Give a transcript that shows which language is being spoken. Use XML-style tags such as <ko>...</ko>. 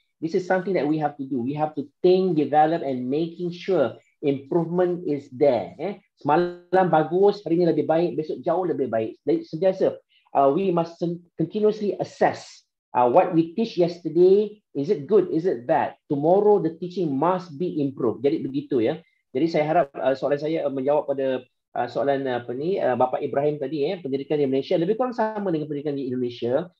<en>This is something that we have to do. We have to think, develop and making sure improvement is there. Eh.</en> <ms>Semalam bagus, hari ini lebih baik, besok jauh lebih baik. Jadi, sentiasa.</ms> <en>We must continuously assess what we teach yesterday. Is it good? Is it bad? Tomorrow, the teaching must be improved.</en> <ms>Jadi begitu ya. Jadi saya harap soalan saya menjawab pada soalan apa ni, Bapak Ibrahim tadi ya, pendidikan di Malaysia lebih kurang sama dengan pendidikan di Indonesia.</ms>